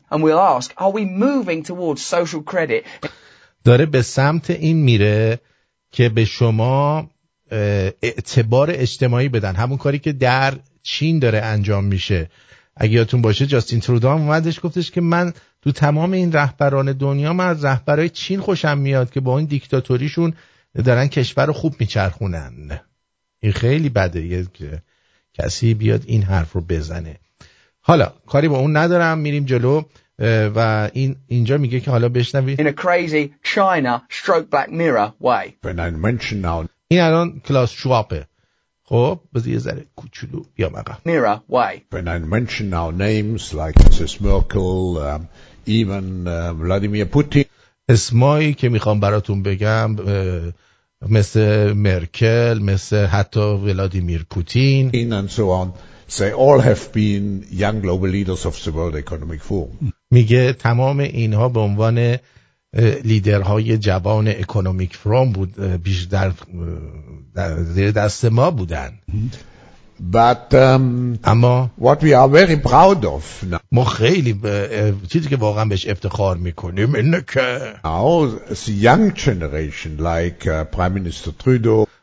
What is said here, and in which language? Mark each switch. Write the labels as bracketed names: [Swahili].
[English] And we'll ask, are we moving towards social credit? [Persian] داره به سمت این میره که به شما اعتبار اجتماعی بدن همون کاری که در چین داره انجام میشه اگه یادتون باشه جاستین ترودام اومدش گفتش که من تو تمام این رهبران دنیا من از رهبرای چین خوشم میاد که با این دیکتاتوریشون دارن کشور رو خوب میچرخونن این خیلی بده یه کسی بیاد این حرف رو بزنه حالا کاری با اون ندارم میریم جلو و این اینجا میگه که حالا بشنوید [English] In a crazy China stroke black mirror way [Persian] این الان کلاس شواپه خب بذار یه ذره کوچولو بیا مگه [English] Mirror way When I mention now names like Mrs. Merkel even Vladimir Putin [Persian] اسمایی که میخوام براتون بگم مثل مرکل مثل حتی ولادیمیر پوتین [English] and so on they all have been young global leaders of the World Economic Forum [Persian] میگه تمام اینها به عنوان لیدرهای جوان اکونومیک فروم بود بیشتر در زیر دست ما بودن [English] but [Persian] اما [English] what we are very proud of now. [Persian] ما خیلی چیزی که واقعا بهش افتخار میکنیم اینه که [English] now the young generation like prime minister trudeau